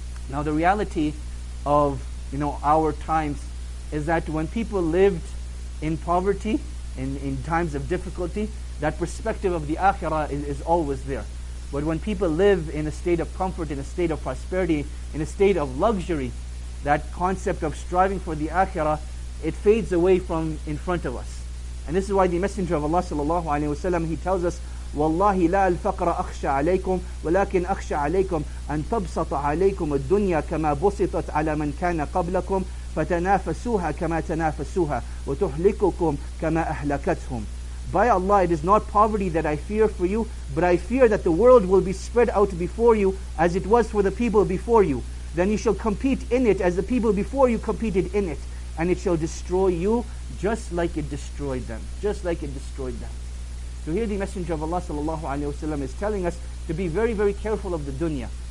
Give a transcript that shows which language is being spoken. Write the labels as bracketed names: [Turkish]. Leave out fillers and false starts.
[English] Now the reality of, you know, our times is that when people lived in poverty, in times of difficulty, that perspective of the Akhirah is always there. But when people live in a state of comfort, in a state of prosperity, in a state of luxury, that concept of striving for the Akhirah, it fades away from in front of us. And this is why the Messenger of Allah sallallahu alaihi wasallam, he tells us, [Arabic] والله لا الفقر أخشى عليكم ولكن أخشى عليكم أن تبسط عليكم الدنيا كما بسطت على من كان قبلكم فتنافسوها كما تنافسوها وتهلككم كما أهلكتهم. [English] By Allah, it is not poverty that I fear for you, but I fear that the world will be spread out before you as it was for the people before you. Then you shall compete in it as the people before you competed in it, and it shall destroy you just like it destroyed them. Just like it destroyed them. So here the Messenger of Allah sallallahu alayhi wa sallam is telling us to be very, very careful of the dunya.